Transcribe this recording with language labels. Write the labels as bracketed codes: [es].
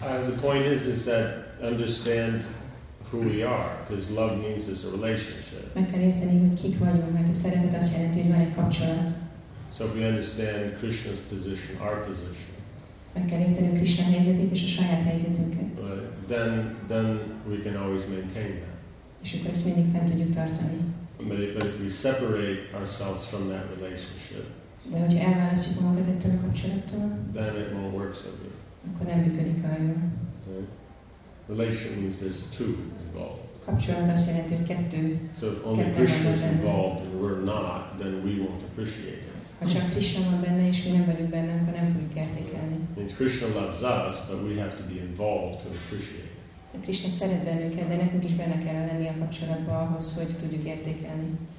[en] The point is that understand who we are, because love means it's a relationship. [hu] Meg kell érteni, hogy kik vagyunk, mert a szeretet azt jelenti, hogy van egy kapcsolat. [en] So if we understand Krishna's position, our position. [hu] Meg kell érteni Krishna helyzetét és a saját helyzetünket. [en] Then we can always maintain that. [hu] És akkor ezt mindig fent tudjuk tartani. [en] But if we separate ourselves from that relationship. [hu] De hogyha elválasztjuk magad ettől a kapcsolattól. [en] Then it won't work so good. [hu] Akkor nem működik olyan jól. [en] Relation means there's two involved. [hu] Kapcsolat azt jelenti, hogy kettő. [en] So if only Krishna is involved and we're not, then we won't appreciate it. [hu] Ha csak Krishna van benne és mi nem vagyunk benne, akkor nem fogjuk értékelni. [en] Means Krishna loves us, but we have to be involved to appreciate it. [hu] A Krishna szeret bennünket, de nekünk is benne kell lenni a kapcsolatba ahhoz, hogy tudjuk értékelni.